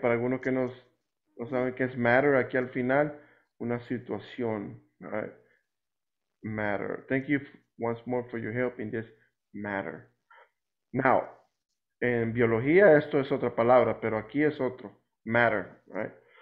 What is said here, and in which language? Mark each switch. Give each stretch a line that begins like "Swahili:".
Spanish: Para algunos que no saben qué es matter, aquí al final, una situación, right?
English: Matter. Thank you once more for your help in this matter.
Spanish: Now, en biología esto es otra palabra, pero aquí es otro, matter, right?